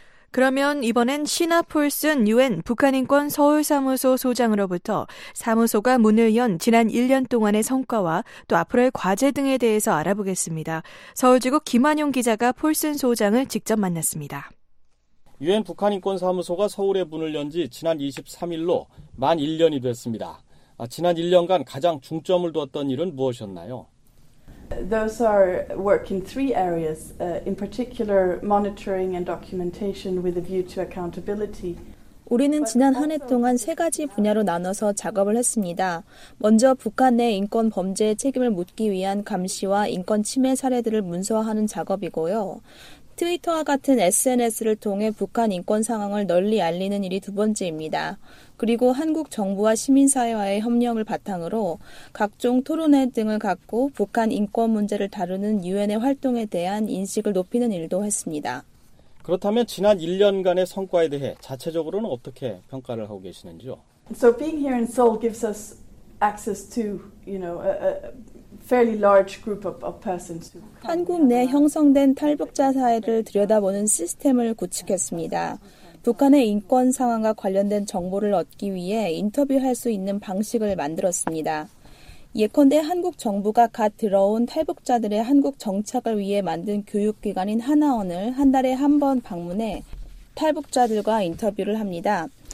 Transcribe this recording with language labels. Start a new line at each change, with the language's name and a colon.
Korean: 그러면 이번엔 시나 폴슨 UN 북한인권 서울사무소 소장으로부터 사무소가 문을 연 지난 1년 동안의 성과와 또 앞으로의 과제 등에 대해서 알아보겠습니다. 서울지국 김한용 기자가 폴슨 소장을 직접 만났습니다. UN 북한인권사무소가 서울에 문을 연 지 지난 23일로 만 1년이 됐습니다. 지난 1년간 가장 중점을 두었던 일은 무엇이었나요?
English: Those are work in three areas, in particular monitoring and documentation with a view to accountability.
Korean: 우리는 지난 한 해 동안 세 가지 분야로 나눠서 작업을 했습니다. 먼저 북한 내 인권 범죄의 책임을 묻기 위한 감시와 인권 침해 사례들을 문서화하는 작업이고요. 트위터와 같은 SNS를 통해 북한 인권 상황을 널리 알리는 일이 두 번째입니다. 그리고 한국 정부와 시민사회와의 협력을 바탕으로 각종 토론회 등을 갖고 북한 인권 문제를 다루는 UN의 활동에 대한 인식을 높이는 일도 했습니다. 그렇다면 지난 1년간의 성과에 대해 자체적으로는 어떻게 평가를 하고 계시는지요?
English: So being here in Seoul gives us access to, you know, fairly large group of persons.
Korean: 한국 내 형성된 탈북자 사회를 들여다보는 시스템을 구축했습니다. 북한의 인권 상황과 관련된 정보를 얻기 위해 인터뷰할 수 있는 방식을 만들었습니다. 예컨대 한국 정부가 갓 들어온 탈북자들의 한국 정착을 위해 만든 교육기관인 하나원을 한 달에 한 번 방문해 탈북자들과 인터뷰를 합니다.